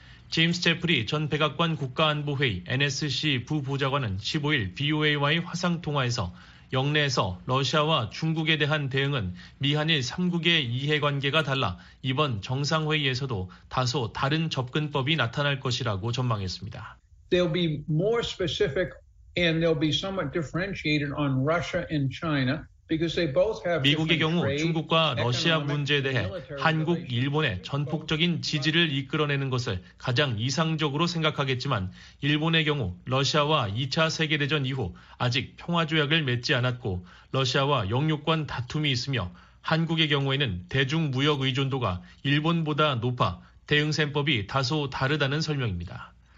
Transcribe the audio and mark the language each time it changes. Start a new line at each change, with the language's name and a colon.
Korean: 제임스 제프리 전 백악관 국가안보회의 NSC 부보좌관은 15일 VOA와의 화상통화에서 영내에서 러시아와 중국에 대한 대응은 미한일 3국의 이해관계가 달라 이번 정상회의에서도 다소 다른 접근법이 나타날 것이라고 전망했습니다.
English: They'll be more specific and they'll be somewhat differentiated on Russia and China.
Korean: 미국의 경우 중국과 러시아 문제에 대해 한국, 일본의 전폭적인 지지를 이끌어내는 것을 가장 이상적으로 생각하겠지만 일본의 경우 러시아와 2차 세계대전 이후 아직 평화조약을 맺지 않았고 러시아와 영유권 다툼이 있으며 한국의 경우에는 대중무역 의존도가 일본보다 높아 대응셈법이 다소 다르다는 설명입니다.